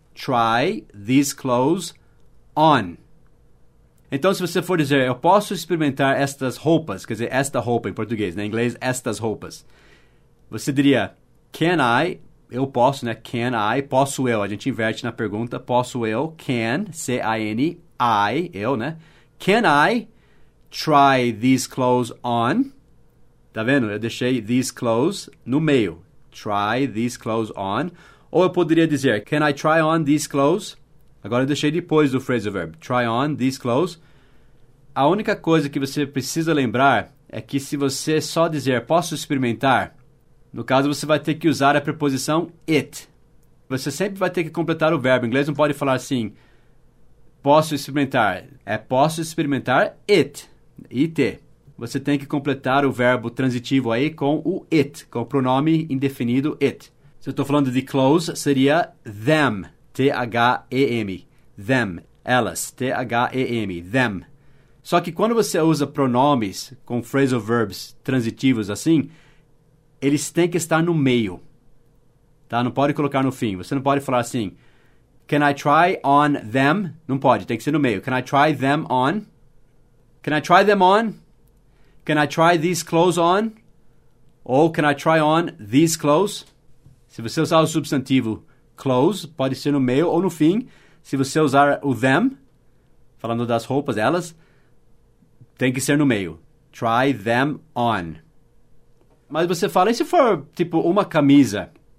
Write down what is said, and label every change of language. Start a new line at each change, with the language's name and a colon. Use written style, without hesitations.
English: Try these clothes on.
Portuguese: Então, se você for dizer, eu posso experimentar estas roupas, quer dizer, esta roupa em português, né? Em inglês, estas roupas. Você diria,
English: can I,
Portuguese: eu posso, né? Can I, posso eu. A gente inverte na pergunta, posso eu, can, C-I-N, I, eu, né?
English: Can I try these clothes on?
Portuguese: Tá vendo? Eu deixei
English: these clothes
Portuguese: no meio.
English: Try these clothes on.
Portuguese: Ou eu poderia dizer,
English: can I try on these clothes?
Portuguese: Agora eu deixei depois do phrasal verb.
English: Try on these clothes.
Portuguese: A única coisa que você precisa lembrar é que se você só dizer, posso experimentar, no caso você vai ter que usar a preposição it. Você sempre vai ter que completar o verbo. Em inglês não pode falar assim, posso experimentar. É posso experimentar it. It. Você tem que completar o verbo transitivo aí com o it, com o pronome indefinido it. Se eu estou falando de clothes, seria them, T-H-E-M, them, elas, T-H-E-M, them. Só que quando você usa pronomes com phrasal verbs transitivos assim, eles têm que estar no meio, tá? Não pode colocar no fim. Você não pode falar assim,
English: can I try on them?
Portuguese: Não pode, tem que ser no meio.
English: Can I try them on? Can I try them on? Can I try these clothes on? Ou can I try on these clothes?
Portuguese: Se você usar o substantivo clothes, pode ser no meio ou no fim. Se você usar o them, falando das roupas, elas, tem que ser no meio.
English: Try them on.
Portuguese: Mas você fala, e se for, tipo, uma camisa?